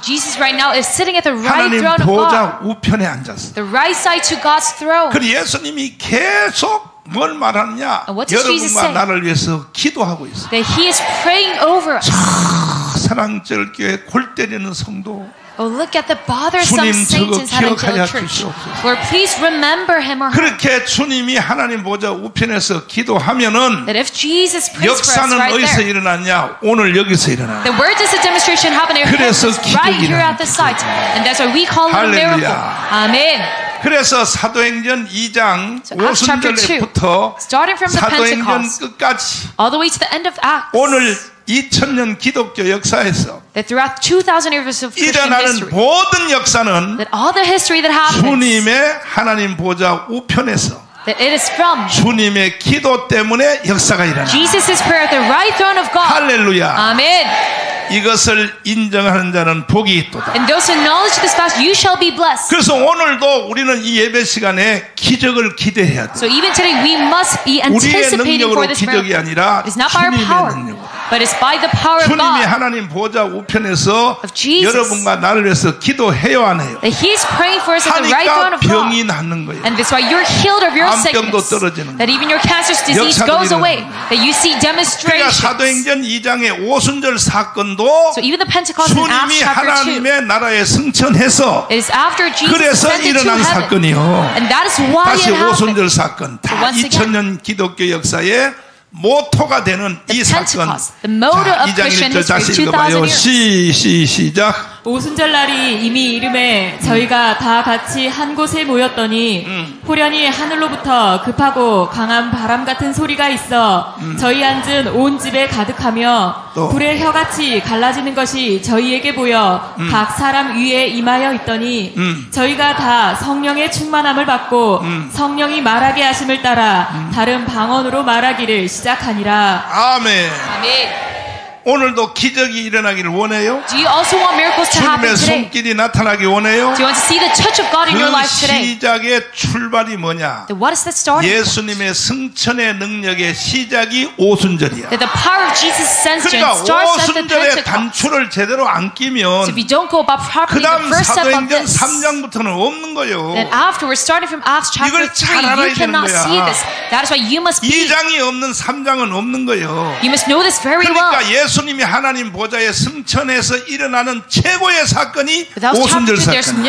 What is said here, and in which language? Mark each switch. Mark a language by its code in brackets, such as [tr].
[en] So Jesus right now is sitting at the right throne of God. [ko] 하나님 보좌 우편에 앉았어. [en] The right side to God's throne. [ko] 그리고 예수님이 계속 뭘 말하느냐? 여러분만 나를 위해서 기도하고 있어. [en] That he is praying over us. [ko] 사랑절 교회 골 때리는 성도. [en] Oh, look at the bothersome saints in that church. Lord, please remember him or her. [ko] 그렇게 주님이 하나님 보좌 우편에서 기도하면은 [en] that if Jesus prays for us right there, [ko] 역사는 어디서 일어났냐? 오늘 여기서 일어나. [en] The where does the demonstration happen? It happens right here at the site, and that's why we call it a miracle. Amen. [ko] 그래서 사도행전 2장 [en] so [ko] 오순절에부터 사도행전 끝까지 [en] all the way to the end of Acts, [ko] 오늘 2000년 기독교 역사에서 [en] that throughout 2000 years of Christian history, [ko] 일어나는 모든 역사는 [en] that all the history that happens, [ko] 주님의 하나님 보좌 우편에서 [en] that it is from [ko] 주님의 기도 때문에 역사가 일어나 [en] Jesus' prayer at the right throne of God. [ko] 할렐루야. 아멘. 이것을 인정하는 자는 복이 있도다. [en] And those who acknowledge this fact, you shall be blessed. [ko] 그래서 오늘도 우리는 이 예배 시간에 기적을 기대해야 돼. [en] So even today we must be anticipating for this miracle. [ko] 기적이 아니라 [en] it's not by our power, [ko] 능력으로. [en] But it's by the power of God. [ko] 주님이 하나님 보좌 우편에서 여러분과 나를 위해서 기도해요 안 해요. [en] That he's praying for us at the right throne of God. [ko] 병이 낫는 거예요. [en] And that's why you're healed of your sickness. [ko] 암병도 떨어지는 [en] that even your cancer's disease goes away. That you see demonstrations. [ko] 그러니까 사도행전 2장의 오순절 사건 [en] So even the Pentecost in Acts chapter 2 is after Jesus ascended to heaven. And that is why it happened. So once again, the [ko] 2000년 기독교 역사의 모토가 되는 이 사건. [en] The motto of Christian history [ko] 다시 읽어봐요. 시작. 오순절 날이 이미 이름에 저희가 다 같이 한 곳에 모였더니 후련히 하늘로부터 급하고 강한 바람 같은 소리가 있어 저희 앉은 온 집에 가득하며 또. 불의 혀같이 갈라지는 것이 저희에게 보여 각 사람 위에 임하여 있더니 저희가 다 성령의 충만함을 받고 성령이 말하게 하심을 따라 다른 방언으로 말하기를 시작하니라. 아멘. 아멘. 오늘도 기적이 일어나기를 원해요. [en] Do you also want miracles to happen today? [ko] 주님의 손길이 나타나기 원해요. [en] Do you want to see the touch of God in your life today? [ko] 그 시작의 출발이 뭐냐? [en] Then what is the starting point? [ko] 예수님의 승천의 능력의 시작이 오순절이야. [en] That the power of Jesus' ascension starts at the Pentecost. [ko] 그러니까 오순절의 단추를 제대로 안 끼면 [en] if you don't go about properly the first step of this, [ko] 그다음 사도행전 3장부터는 없는 거예요. [en] Then afterwards, starting from Acts chapter [ko] 이걸 잘 [en] 3, [ko] 알아야 [en] you cannot [ko] 거야. [en] See this. That is why you must be. [ko] 2장이 없는 3장은 없는 거예요. [en] You must know this very well. [ko] 그러니까 예수님이 하나님 보좌에 승천해서 일어나는 최고의 사건이 오순절 사건이야.